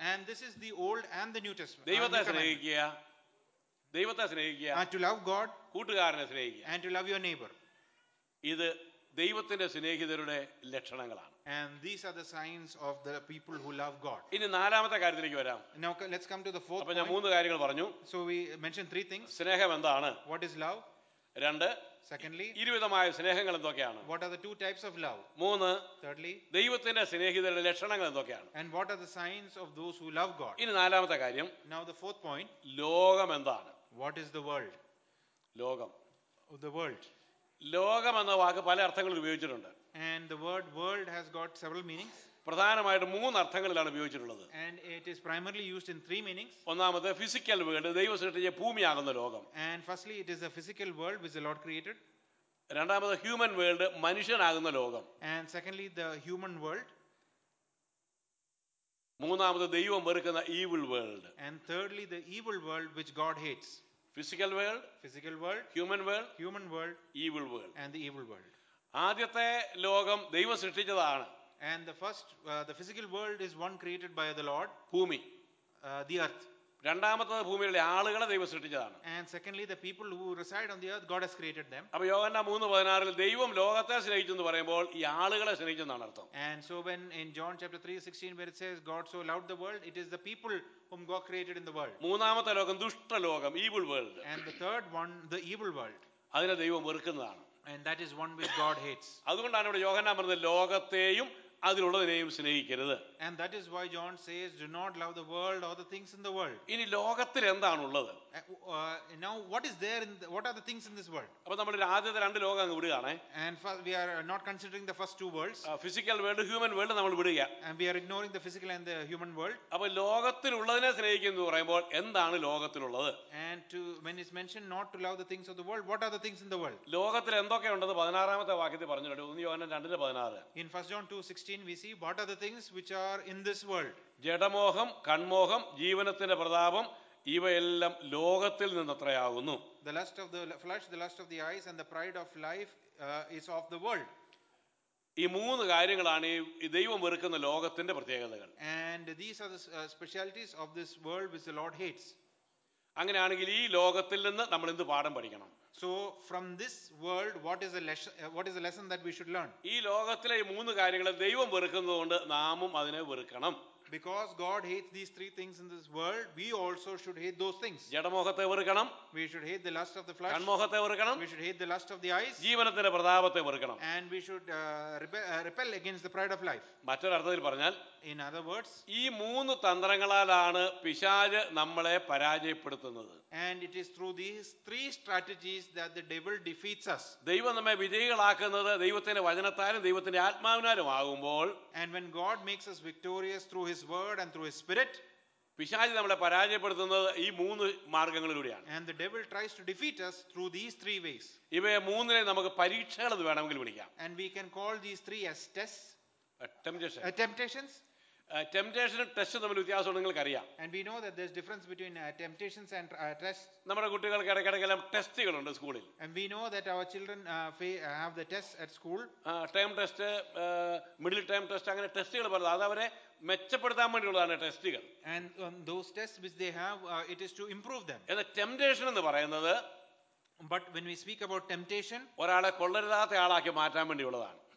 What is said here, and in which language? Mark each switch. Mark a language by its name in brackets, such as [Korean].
[English] And this is the old and the new testament. [Malayalam] ദൈവത്തെ സ്നേഹിക്കുക. ദൈവത്തെ സ്നേഹിക്കുക. [English] And to love God. [Malayalam] കൂട്ടുകാരനെ സ്നേഹിക്കുക. [English] And to love your neighbor. [Malayalam] ഇത് ദൈവത്തിന്റെ സ്നേഹിതരുടെ ലക്ഷണങ്ങളാണ്. [English] And these are the signs of the people who love God. [Malayalam] ഇനി നാലാമത്തെ കാര്യത്തിലേക്ക് വരാം. [English] Now let's come to the fourth. [Malayalam] അപ്പോൾ ഞാൻ മൂന്ന് കാര്യങ്ങൾ പറഞ്ഞു. [English] So we mentioned three things. [Malayalam] സ്നേഹം എന്താണ്? [English] What is love? [Malayalam] രണ്ട്. [English] Secondly, [Malayalam] ഇരുവിധമായ സ്നേഹങ്ങൾ എന്തൊക്കെയാണ്? [English] What are the two types of love? [Malayalam] മൂന്ന്. [English] Thirdly, [Malayalam] ദൈവത്തിന്റെ സ്നേഹിതരുടെ ലക്ഷണങ്ങൾ എന്തൊക്കെയാണ്? [English] And what are the signs of those who love God? [Malayalam] ഇനി നാലാമത്തെ കാര്യം. [English] Now the fourth point. [Malayalam] ലോകം എന്താണ്? [English] What is the world? [Malayalam] ലോകം. [English] The world. [Malayalam] ലോകം എന്ന വാക്ക് പല അർത്ഥങ്ങളിൽ ഉപയോഗിച്ചിട്ടുണ്ട്. [English] And the word world has got several meanings. [Malayalam] പ്രധാനമായിട്ട് മൂന്ന് അർത്ഥങ്ങളിലാണ് ഉപയോഗിച്ചിട്ടുള്ളത്. [English] And it is primarily used in three meanings. [Malayalam] ഒന്നാമത്തെ ഫിസിക്കൽ വേൾഡ്, ദൈവം സൃഷ്ടിച്ച ഭൂമിയാകുന്ന ലോകം. [English] And firstly it is a physical world which the Lord created. [Malayalam] രണ്ടാമത്തെ ഹ്യൂമൻ വേൾഡ്, മനുഷ്യനാകുന്ന ലോകം. [English] And secondly the human world. [Malayalam] മൂന്നാമത്തെ ദൈവം വെറുക്കുന്ന evil world. [English] And thirdly the evil world which God hates. Physical world, physical world, human world, human world, evil world, and the evil world. [Malayalam] ആദ്യത്തെ ലോകം ദൈവം സൃഷ്ടിച്ചതാണ്. [English] And the first the physical world is one created by the Lord. [Malayalam] ഭൂമി. [English] The earth. [Malayalam] രണ്ടാമത്തെ ഭൂമിയിലെ ആളുകളെ ദൈവം സൃഷ്ടിച്ചതാണ്. [English] And secondly the people who reside on the earth God has created them. [Malayalam] അപ്പോൾ യോഹന്നാ 3:16 ൽ ദൈവം ലോകത്തെ സ്നേഹിച്ചു എന്ന് പറയുമ്പോൾ ഈ ആളുകളെ സ്നേഹിച്ചു എന്നാണ് അർത്ഥം. [English] And so when in John chapter 3:16 where it says God so loved the world, it is the people whom God created in the world. [Malayalam] മൂന്നാമത്തെ ലോകം ദുഷ്ട ലോകം, evil world. [English] And the third one the evil world. [Malayalam] അതിനെ ദൈവം വെറുക്കുന്നതാണ്. [English] And that is one which God hates. [Malayalam] അതുകൊണ്ടാണ് ഇവിടെ യോഹന്നാ പറഞ്ഞത് ലോകത്തെയും അതിലുള്ളതിനെയും സ്നേഹിക്കരുത്. [English] And that is why John says do not love the world or the things in the world. [Malayalam] ഇനി ലോകത്തിൽ എന്താണുള്ളത്? [English] Now what is there in the, what are the things in this world? [Malayalam] അപ്പോൾ നമ്മൾ ആദ്യത്തെ രണ്ട് ലോകം അങ്ങ് വിടുകയാണേ. [English] And we are not considering the first two worlds. Physical world, human world [Malayalam] നമ്മൾ വിടുക. [English] And we are ignoring the physical and the human world. [Malayalam] അപ്പോൾ ലോകത്തിലുള്ളതിനെ സ്നേഹിക്കുന്നു പറയുമ്പോൾ എന്താണ് ലോകത്തിലുള്ളത്? [English] And to when it's mentioned not to love the things of the world, what are the things in the world? [Malayalam] ലോകത്തിൽ എന്തൊക്കെ ഉണ്ട് എന്ന് 16-ാമത്തെ വാക്യത്തിൽ പറഞ്ഞിട്ടുണ്ട്. [English] 1 John 2:16. In 1 John 2:16 we see what are the things which are in this world. [Malayalam] ജഡമോഹം, കൺമോഹം, ജീവനത്തിന്റെ പ്രതാപം, ഇവയെല്ലാം ലോകത്തിൽ നിന്നത്രയാകുന്നു. [English] The lust of the flesh, the lust of the eyes and the pride of life is of the world. [Malayalam] ഈ മൂന്ന് കാര്യങ്ങളാണ് ഈ ദൈവം വെറുക്കുന്ന ലോകത്തിന്റെ പ്രത്യേകതകൾ. [English] And these are the specialties of this world which the Lord hates. [Malayalam] അങ്ങനെയാണെങ്കിൽ ഈ ലോകത്തിൽ നിന്ന് നമ്മൾ എന്ത് പാഠം പഠിക്കണം? [English] So from this world what is the lesson that we should learn? [Malayalam] ഈ ലോകത്തിലെ ഈ മൂന്ന് കാര്യങ്ങളെ ദൈവം വെറുക്കുന്നതുകൊണ്ട് നാമും അതിനെ വെറുക്കണം. [English] Because God hates these three things in this world, we also should hate those things. [Malayalam] ജഡമോഹത്തെ വെറുക്കണം. [English] We should hate the lust of the flesh. [Malayalam] കൺമോഹത്തെ വെറുക്കണം. [English] We should hate the lust of the eyes. [Malayalam] ജീവനത്തിന്റെ പ്രതാപത്തെ വെറുക്കണം. [English] And we should repel against the pride of life. [Malayalam] മറ്റൊരർത്ഥത്തിൽ പറഞ്ഞാൽ, [English] in other words, [Malayalam] ഈ മൂന്ന് തന്ത്രങ്ങളാലാണ് പിശാച് നമ്മളെ പരാജയപ്പെടുത്തുന്നത്. [English] And it is through these three strategies that the devil defeats us. [Malayalam] ദൈവം നമ്മെ വിജയികളാക്കുന്നത് ദൈവത്തിന്റെ വചനത്താലും ദൈവത്തിന്റെ ആത്മാവിനാലും ആകുമ്പോൾ, [English] and when God makes us victorious through his word and through his spirit, [Malayalam] പിശാച് നമ്മളെ പരാജയപ്പെടുത്തുന്നത് ഈ മൂന്ന് മാർഗങ്ങളിലൂടെയാണ്. [English] And the devil tries to defeat us through these three ways. [Malayalam] ഇവയെ മൂന്നിനെ നമുക്ക് പരീക്ഷകൾ എന്ന് വേണമെങ്കിൽ വിളിക്കാം. [English] And we can call these three as tests. Temptations. [Malayalam] ടെംപ്റ്റേഷനും ടെസ്റ്റും തമ്മിൽ വ്യത്യാസം നിങ്ങൾക്ക് അറിയാം. [English] And we know that there's difference between temptations and tests. [Malayalam] നമ്മുടെ കുട്ടികൾക്ക് ഇടയ്ക്കിടയ്ക്കെല്ലാം ടെസ്റ്റുകൾ ഉണ്ട് സ്കൂളിൽ. [English] And we know that our children have the tests at school. [Malayalam] Time test, middle time test, അങ്ങനെ ടെസ്റ്റുകൾ പറയുന്നത് അത് അവരെ മെച്ചപ്പെടുത്താൻ വേണ്ടിയുള്ളതാണ് ടെസ്റ്റുകൾ. [English] And those tests which they have, it is to improve them. [Malayalam] എന്ന ടെംപ്റ്റേഷൻ എന്ന് പറയുന്നത്, [English] but when we speak about temptation, [Malayalam] ഒരാളെ കൊള്ളരുതാത്ത ആളാക്കി മാറ്റാൻ വേണ്ടിയുള്ളതാണ്.